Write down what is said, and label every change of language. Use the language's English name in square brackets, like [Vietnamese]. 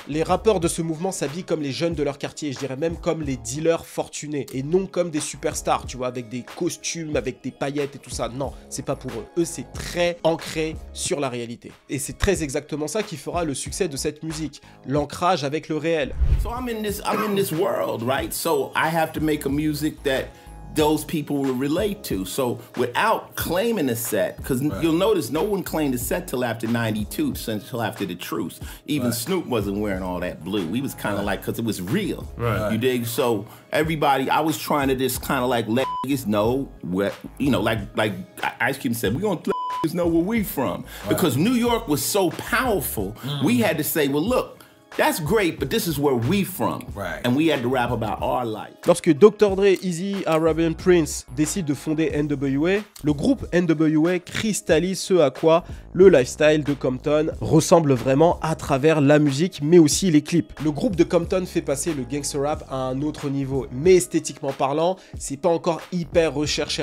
[French] Les rappeurs de ce mouvement s'habillent comme les jeunes de leur quartier, je dirais même comme les dealers fortunés, et non comme des superstars, tu vois, avec des costumes, avec des paillettes et tout ça. Non, c'est pas pour eux. Eux, c'est très ancré sur la réalité. Et c'est très exactement ça qui fera le succès de cette musique, l'ancrage avec le réel. [English] So I'm in this world, right? So I have to make a music that those people will relate to. So without claiming a set, because right. You'll notice no one claimed a set till after 92, until after the truce. Even right. Snoop wasn't wearing all that blue. He was kind of right. Like, because it was real. Right. You dig? So everybody, I was trying to just kind of like let niggas know what, you know, like Ice Cube said, we're going to let niggas know where we from. Right. Because New York was so powerful, we had to say, well, look, that's great, but this is where we from. Right. And we had to rap about our life. [French] Lorsque Dr. Dre, Easy, Arabian Prince décident de fonder NWA, le groupe NWA cristallise ce à quoi le lifestyle de Compton ressemble vraiment à travers la musique, mais aussi les clips. Le groupe de Compton fait passer le gangster rap à un autre niveau, mais esthétiquement parlant, c'est pas encore hyper recherché.